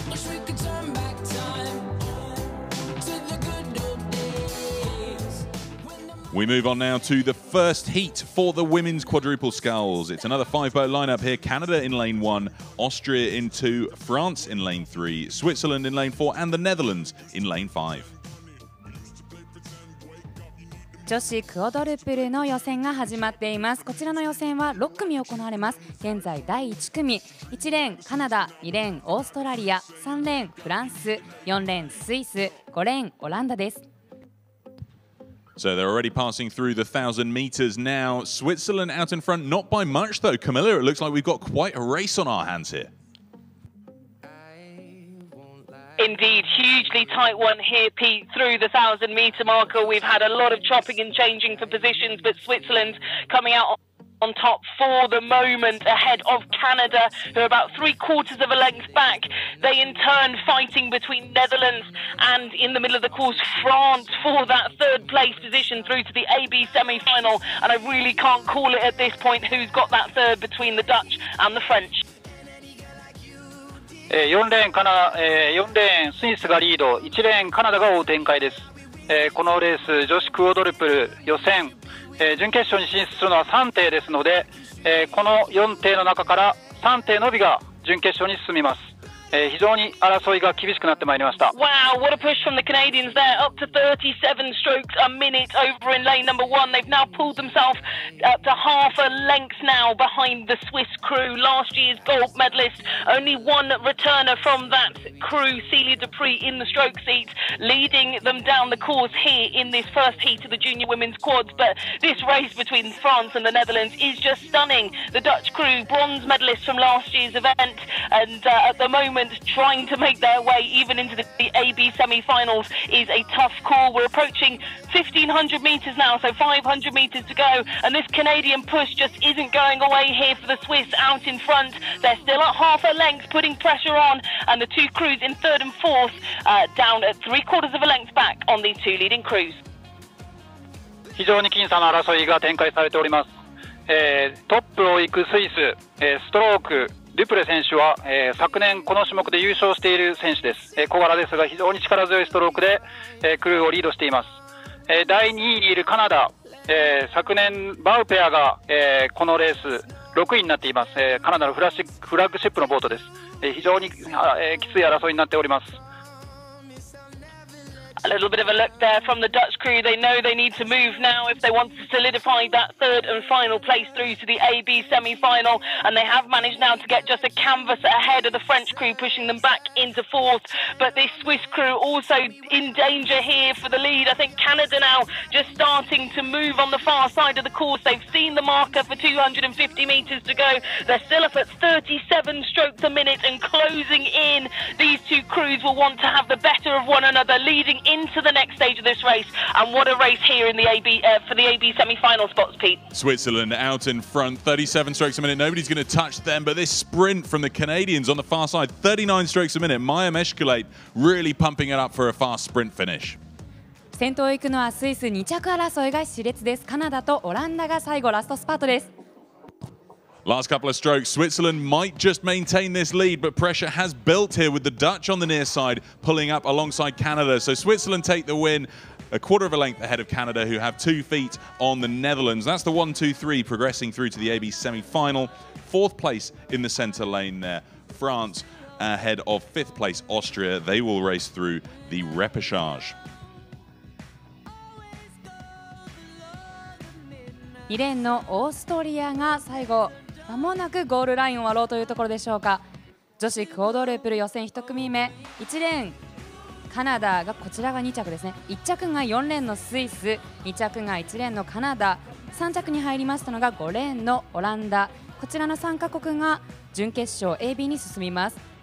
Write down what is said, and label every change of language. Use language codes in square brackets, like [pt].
[en] We could turn back time to the good old days. We move on now to the first heat for the women's quadruple sculls. It's another five-boat lineup here. Canada in lane one, Austria in two, France in lane three, Switzerland in lane four, and the Netherlands in lane five. [ja] 女子クオドルプルの予選が始まっています。こちらの予選は6組行われます。現在第1組、1レーンカナダ、2レーンオーストラリア、3レーンフランス、4レーンスイス、5レーンオランダです。 [en] So they're already passing through the 1000 meters now. Switzerland out in front, not by much though. Camilla, it looks like we've got quite a race on our hands here. Indeed, hugely tight one here, Pete, through the 1,000 metre marker. We've had a lot of chopping and changing for positions, but Switzerland coming out on top for the moment ahead of Canada, who are about three quarters of a length back. They in turn fighting between Netherlands and in the middle of the course, France, for that third place position through to the AB semi-final. And I really can't call it at this point who's got that third between the Dutch and the French. [ja] 4レーンカナダ、4レーンスイスがリード、1レーンカナダが追う展開です。このレース女子クオドルプル予選、準決勝に進出するのは3艇ですので、この4艇の中から3艇のみが準決勝に進みます。非常に争いが厳しくなってまいりました。 [en] Wow, what a push from the Canadians there. Up to 37 strokes a minute over in lane number one. They've now pulled themselves up to half a length now behind the Swiss crew, last year's gold medalist. Only one returner from that crew, Celia Dupree, in the stroke seat, leading them down the course here in this first heat of the junior women's quads. But this race between France and the Netherlands is just stunning. The Dutch crew, bronze medalist from last year's event, and at the momentTrying to make their way even into the AB semi-finals is a tough call. We're approaching 1500 metres now, so 500 metres to go. And this Canadian push just isn't going away here for the Swiss out in front. They're still at half a length, putting pressure on. And the two crews in third and fourth, down at three quarters of a length back on the two leading crews. [ja] 非常に僅差な争いが展開されております。トップを行くスイス、ストローク、デュプレ選手は、昨年この種目で優勝している選手です。小柄ですが非常に力強いストロークで、クルーをリードしています。第2位にいるカナダ、昨年バウペアが、このレース6位になっています。カナダのフラッグシップのボートです。非常に、きつい争いになっております。 [en] A little bit of a look there from the Dutch crew. They know they need to move now if they want to solidify that third and final place through to the AB semi-final. And they have managed now to get just a canvas ahead of the French crew, pushing them back into fourth. But this Swiss crew also in danger here for the lead. I think Canada now just starting to move on the far side of the course. They've seen the marker for 250 metres to go. They're still up at 37 strokes a minute and closing in. These two crews will want to have the better of one another, leading into the next stage of this race. And what a race here in the AB, for the AB semi-final spots, Pete. Switzerland out in front, 37 strokes a minute. Nobody's going to touch them, but this sprint from the Canadians on the far side, 39 strokes a minute. Maya Meshkulate really pumping it up for a fast sprint finish. [ja] 先頭を行くのはスイス、2着争いが熾烈です。カナダとオランダが最後ラストスパートです。 [en] Last couple of strokes, Switzerland might just maintain this lead, but pressure has built here with the Dutch on the near side pulling up alongside Canada. So Switzerland take the win, a quarter of a length ahead of Canada, who have 2 feet on the Netherlands. That's the 1-2-3 progressing through to the AB semi-final. Fourth place in the centre lane there, France ahead of fifth place Austria. They will race through the repechage. [ja] 2レーンのオーストリアが最後、まもなくゴールラインを割ろうというところでしょうか。女子クオドルプル予選1組目、1レーンカナダが、こちらが2着ですね、1着が4レーンのスイス、2着が1レーンのカナダ、3着に入りましたのが5レーンのオランダ、こちらの3カ国が準決勝 AB に進みます。